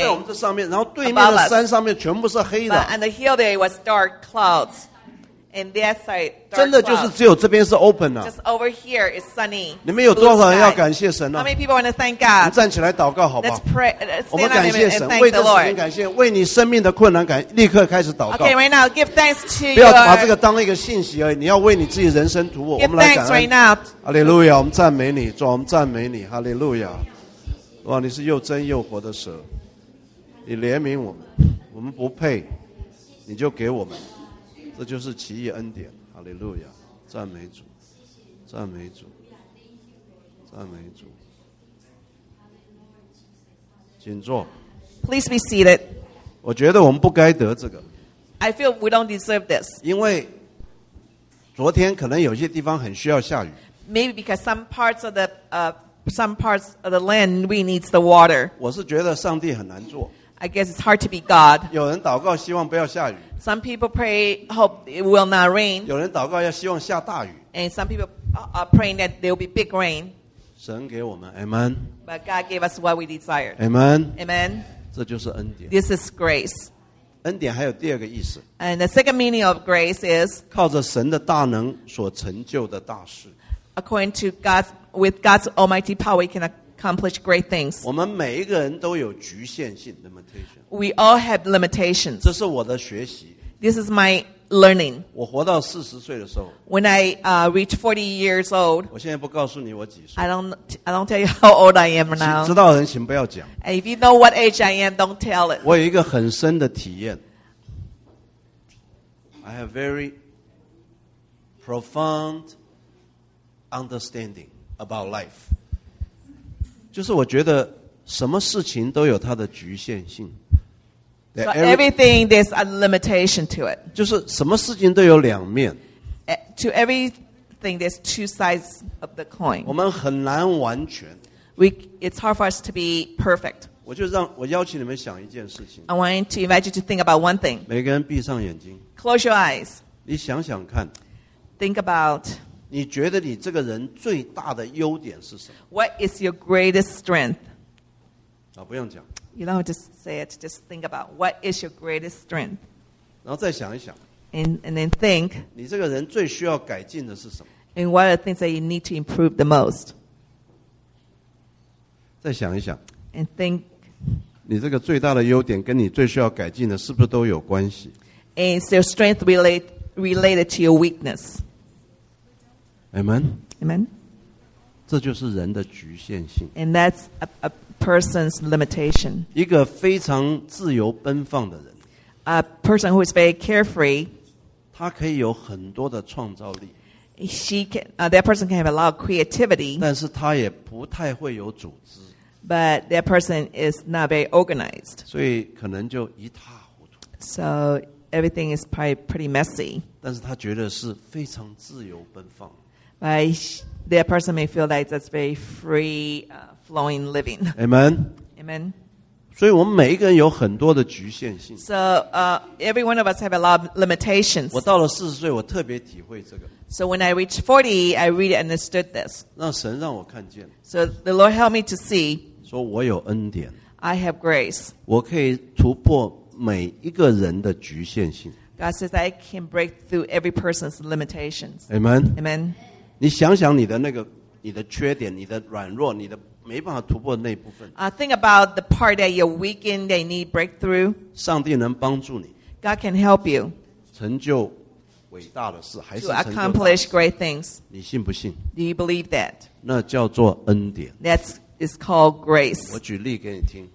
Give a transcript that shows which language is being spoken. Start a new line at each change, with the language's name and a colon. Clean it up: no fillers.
Chinese: 就在我们这上面，然后对面的山上面全部是黑的。
English: But on the hill there was dark clouds, and that side dark clouds.
Chinese: 真的就是只有这边是
English: open
Chinese: 的。
English: Just over here is sunny.
Chinese: 你们有多少人要感谢神呢
English: ？How many people want to thank God?
Chinese: 站起来祷告好不好
English: ？Let's pray. Stand on him and thank the Lord.
Chinese: 我们感谢神，为这时间感谢，为你生命的困难感，立刻开始祷告。
English: Okay, right now, give thanks to.
Chinese: 不要把这个当一个信息而已，你要为你自己人生图。
English: Give thanks right now.
Chinese: Hallelujah, 我们赞美你，主，我们赞美你 ，Hallelujah。哇，你是又真又活的神，你怜悯我们，我们不配，你就给我们，这就是奇异恩典。哈利路亚，赞美主，赞美主，赞美主。请坐。
English: Please be seated.
Chinese: 我觉得我们不该得这个。
English: I feel we don't deserve this.
Chinese: 因为昨天可能有些地方很需要下雨。
English: Maybe because some parts of the Some parts of the land we needs the water.
Chinese: 我是觉得上帝很难做。
English: I guess it's hard to be God.
Chinese: 有人祷告希望不要下雨。
English: Some people pray hope it will not rain.
Chinese: 有人祷告要希望下大雨。
English: And some people are praying that there will be big rain.
Chinese: 神给我们 ，Amen.
English: But God gave us what we desire. Amen. Amen.
Chinese: 这就是恩典。
English: This is grace.
Chinese: 恩典还有第二个意思。
English: And the second meaning of grace is
Chinese: 靠着神的大能所成就的大事。
English: According to God's, with God's almighty power, we can accomplish great things.
Chinese: 我们每一个人都有局限性 limitation.
English: We all have limitations.
Chinese: 这是我的学习。
English: This is my learning.
Chinese: 我活到40岁的时候。
English: When I reach 40 years old.
Chinese: 我现在不告诉你我几岁。
English: I don't tell you how old I am now.
Chinese: 知道的人请不要讲。
English: And if you know what age I am, don't tell it.
Chinese: 我有一个很深的体验。
English: I have very profound. Understanding about life.
Chinese: 就是我觉得什么事情都有它的局限性。
English: So everything, there's a limitation to it.
Chinese: 就是什么事情都有两面。
English: To everything, there's two sides of the coin.
Chinese: 我们很难完全。
English: It's hard for us to be perfect.
Chinese: 我邀请你们想一件事情。
English: I want to invite you to think about one thing.
Chinese: 每个人闭上眼睛。
English: Close your eyes.
Chinese: 你想想看。
English: Think about...
Chinese: 你觉得你这个人最大的优点是什么
English: ？What is your greatest strength？
Chinese: 啊，不用讲。
English: You don't just say it. Just think about what is your greatest strength.
Chinese: 然后再想一想。
English: And then think.
Chinese: 你这个人最需要改进的是什么
English: ？And what are the things that you need to improve the most？
Chinese: 再想一想。
English: And think.
Chinese: 你这个最大的优点跟你最需要改进的是不是都有关系
English: ？And is your strength related to your weakness？ Amen. Amen.
Chinese: 这就是人的局限性。
English: And that's a person's limitation.
Chinese: 一个非常自由奔放的人。
English: A person who is very carefree.
Chinese: 他可以有很多的创造力。
English: She can, that person can have a lot of creativity.
Chinese: 但是他也不太会有组织。
English: But that person is not very organized.
Chinese: 所以可能就一塌糊涂。
English: So everything is probably pretty messy.
Chinese: 但是他觉得是非常自由奔放。
English: That person may feel like that's very free, flowing living. Amen. Amen.
Chinese: 所以我们每一个人有很多的局限性。
English: So, every one of us have a lot of limitations.
Chinese: 我到了四十岁，我特别体会这个。
English: So when I reached 40, I really understood this.
Chinese: 让神让我看见。
English: So the Lord helped me to see.
Chinese: 说我有恩典。
English: I have grace.
Chinese: 我可以突破每一个人的局限性。
English: God says I can break through every person's limitations. Amen. Amen.
Chinese: 你想想你的那个你的缺点你的软弱你的没办法突破的那部分。
English: Think about the part that you're weak in, that you need breakthrough.
Chinese: 上帝能帮助你。
English: God can help you.
Chinese: 成就伟大的事，还是
English: to accomplish great things.
Chinese: 你信不信？
English: Do you believe that?
Chinese: 那叫做恩典。
English: That is called grace.
Chinese: 我举例给你听。